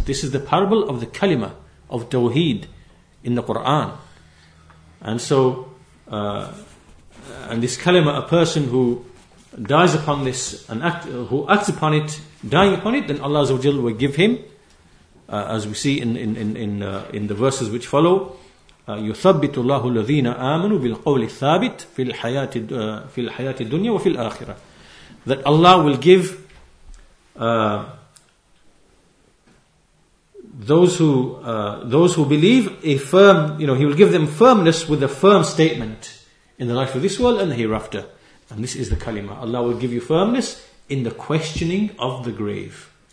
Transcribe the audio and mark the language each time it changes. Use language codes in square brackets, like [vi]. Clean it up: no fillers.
[en] This is the parable of the kalima of Tawheed in the Quran. And so, and this kalima, a person who dies upon this and acts upon it, then Allah Azza wa Jalla will give him, as we see in the verses which follow. [ar] يثبت الله الذين آمنوا بالقول الثابت في الحياة في الحياة الدنيا وفي الآخرة. [en] That Allah will give those who believe a firm, you know, He will give them firmness with a firm statement in the life of this world and the hereafter. And this is the kalima. Allah will give you firmness in the questioning of the grave.